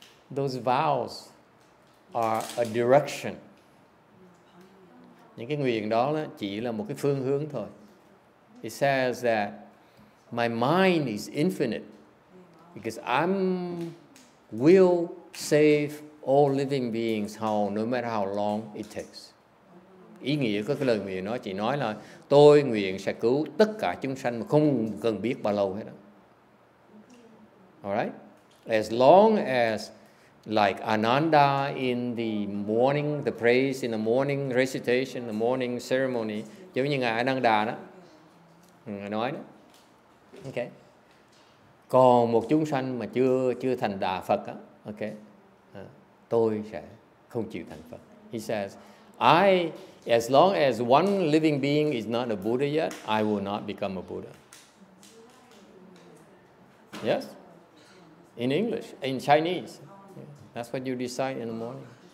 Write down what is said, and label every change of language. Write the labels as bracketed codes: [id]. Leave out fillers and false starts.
[en] Those vows are a direction. [vi] Những cái nguyện đó chỉ là một cái phương hướng thôi. [en] It says that my mind is infinite because I'm will save all living beings how no matter how long it takes. [vi] Ý nghĩa của cái lời nguyện nó chỉ nói là tôi nguyện sẽ cứu tất cả chúng sanh mà không cần biết bao lâu hết. [en] Alright? As long as like Ananda in the morning, the praise in the morning recitation, the morning ceremony, [vi] giống như ngài Ananda đó, ngài nói đó. [en] Ok. [vi] Còn một chúng sanh mà chưa thành đà Phật á, ok. Tôi sẽ không chịu thành Phật. [en] He says, I as long as one living being is not a Buddha yet, I will not become a Buddha. Yes? In English, in Chinese. That's what you decide in the morning.